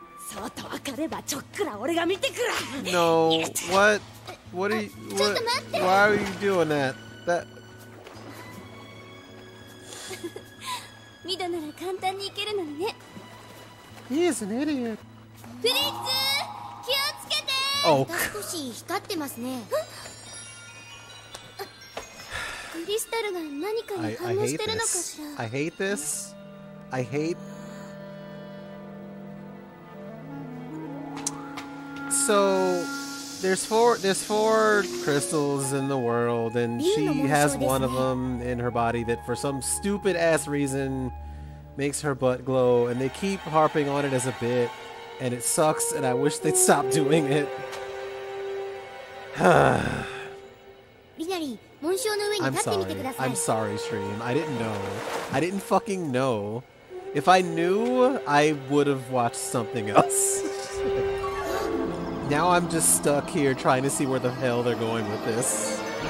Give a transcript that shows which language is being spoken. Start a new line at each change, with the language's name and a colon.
Japanese: そうとわかればちょっくら俺が見てくら。
English: No, what are you, what, why are you doing that?
Japanese: ミドなら簡単に行けるのにね。
English: He is an idiot.
Japanese: フリッツ、気をつけて。少し光ってますね。クリスタルが何かに反応してるのかしら。
English: I hate this. So there's four crystals in the world, and she has one of them in her body that for some stupid ass reason makes her butt glow, and they keep harping on it as a bit, and it sucks, and I wish they'd stop doing it.
Japanese: り、紋章の上に立ってみてください。
English: I'm sorry, Stream. I didn't know. I didn't fucking know. If I knew, I would have watched something else. Now I'm just stuck here trying to see where the hell they're going with this.